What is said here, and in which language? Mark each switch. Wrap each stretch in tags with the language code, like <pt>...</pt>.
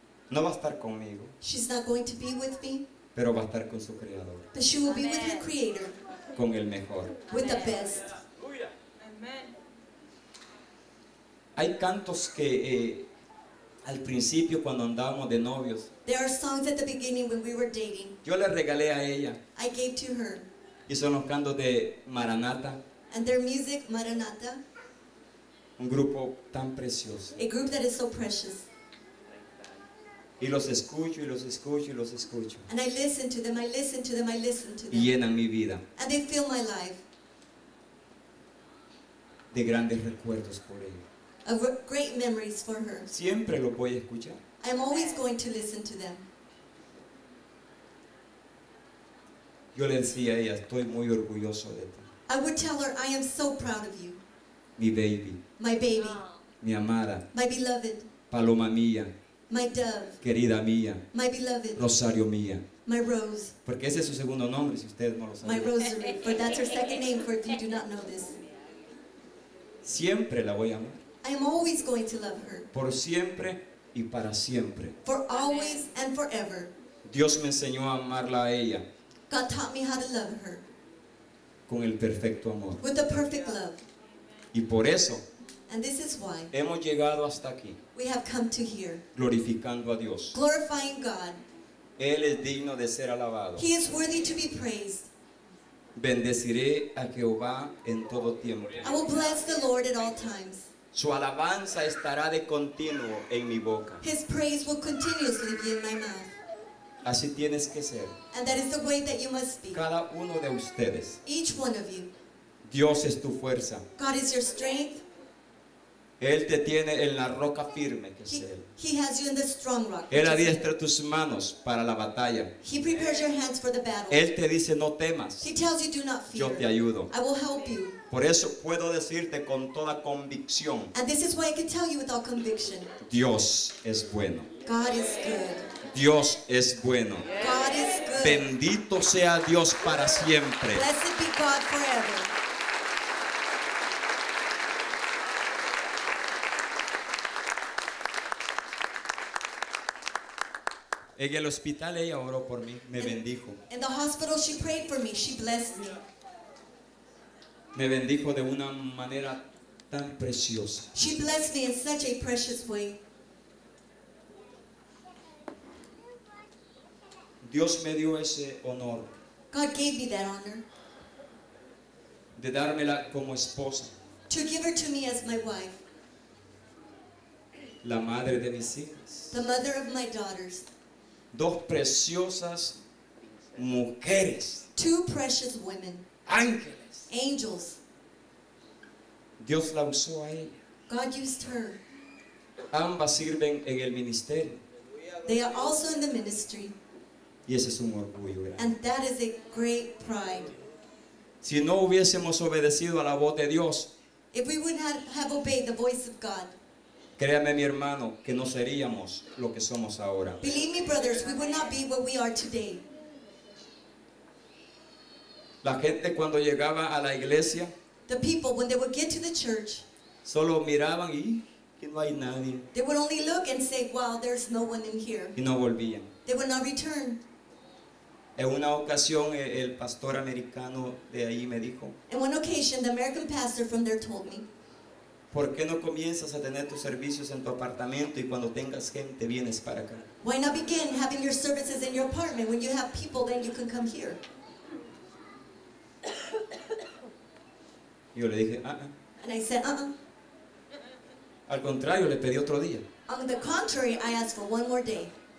<es>No va a estar conmigo.</es> <en>She's not going to be with me.</en> <es>Pero va a estar con su creador.</es> <en>But she will be with her creator.</en> <es>Con el mejor.</es> <en>With the best. Amen.</en> <es>Hay cantos que al principio cuando andábamos de novios.</es> <en>There are songs at the beginning when we were dating.</en> <es>Yo le regalé a ella.</es> <en>I gave to her.</en> <es>Y son los cantos de Maranata.</es> <en>And their music, Maranata.</en> <es>Un grupo tan precioso.</es> <en>A group that is so precious.</en> <es>Y los escucho y los escucho y los escucho.</es> <en>And I listen to them, I listen to them, I listen to them.</en> <es>Y llenan mi vida.</es> <en>And they fill my life.</en> <es>De grandes recuerdos por ella.</es> <en>Of great memories for her.</en> <es>Siempre lo voy a escuchar.</es> <en>I'm always going to listen to them.</en> <es>Yo le decía a ella, estoy muy orgulloso de ti.</es> <en>I would tell her, I am so proud of you.</en> <es>Mi baby.</es> <en>My baby.</en> <es>Mi amada.</es> <en>My beloved.</en> <es>Paloma mía.</es> <en>My dove.</en> <es>Querida mía.</es> <en>My beloved.</en> <es>Rosario mía.</es> <en>My rose.</en> <es>Porque ese es su segundo nombre, si ustedes no lo saben.</es> <en>My rosary, for that's her second name, for if you do not know this.</en> <es>Siempre la voy a amar.</es> <en>I am always going to love her.</en> <es>Por siempre y para siempre.</es> <en>For always and forever.</en> <es>Dios me enseñó a amarla a ella.</es> <en>God taught me how to love her.</en> <es>Con el perfecto amor.</es> <en>With the perfect love.</en> <es>Y por eso.</es> <en>And this is why</en> <es>hemos llegado hasta aquí.</es> <en>We have come to here.</en> <es>Glorificando a Dios.</es> <en>Glorifying God.</en> <es>Él es digno de ser alabado.</es> <en>He is worthy to be praised.</en> <es>Bendeciré a Jehová en todo tiempo.</es> <en>I will bless the Lord at all times.</en> <es>Su alabanza estará de continuo en mi boca.</es> <en>His praise will continuously be in my mouth.</en> <es>Así tienes que ser.</es> <en>And that is the way that you must be.</en> <es>Cada uno de ustedes.</es> <en>Each one of you.</en> <es>Dios es tu fuerza.</es> <en>God is your strength.</en> <es>Él te tiene en la roca firme, que es Él.</es> <en>He has you in the strong rock.</en> <es>Él adiestra tus manos para la batalla.</es> <en>He prepares your hands for the battle.</en> <es>Él te dice no temas.</es> <en>He tells you do not fear.</en> <es>Yo te ayudo.</es> <en>I will help you.</en> <es>Por eso puedo decirte con toda convicción.</es> <en>And this is why I can tell you with all conviction.</en> <es>Dios es bueno.</es> <en>God is good.</en> <es>Dios es bueno.</es> <en>God is good.</en> <es>Bendito sea Dios para siempre.</es> <en>Blessed be God forever.</en> <es>En el hospital ella oró por mí, me bendijo.</es> <en>In the hospital she prayed for me, she blessed me.</en> <es>Me bendijo de una manera tan preciosa.</es> <en>She blessed me in such a precious way.</en> <es>Dios me dio ese honor.</es> <en>God gave me that honor.</en> <es>De dármela como esposa.</es> <en>To give her to me as my wife.</en> <es>La madre de mis hijas.</es> <en>The mother of my daughters.</en> <es>Dos preciosas mujeres.</es> <en>Two precious women.</en> <es>Ángeles.</es> <en>Angels.</en> <es>Dios la usó a ella.</es> <en>God used her.</en> <es>Ambas sirven en el ministerio.</es> <en>They are also in the ministry.</en> <es>Y ese es un orgullo grande.</es> <en>And that is a great pride.</en> <es>Si no hubiésemos obedecido a la voz de Dios.</es> <en>If we would not have obeyed the voice of God.</en> <es>Créame, mi hermano, que no seríamos lo que somos ahora.</es> <en>Believe me, brothers, we would not be what we are today.</en> <es>La gente cuando llegaba a la iglesia,</es> <en>the people, when they would get to the church,</en> <es>solo miraban y que no hay nadie.</es> <en>They would only look and say, wow, there's no one in here.</en> <es>Y no volvían.</es> <en>They would not return.</en> <es>En una ocasión el pastor americano de ahí me dijo,</es> <en>in one occasion the American pastor from there told me,</en> <es>¿por qué no comienzas a tener tus servicios en tu apartamento y cuando tengas gente vienes para acá?</es> <en>Why not begin having your services in your apartment? When you have people, then you can come here.</en> <es>Yo le dije, ah.</es> <en>And I said,</en> <es>Al contrario, le pedí otro día.</es> <en>On the contrary, I asked for one more day.</en>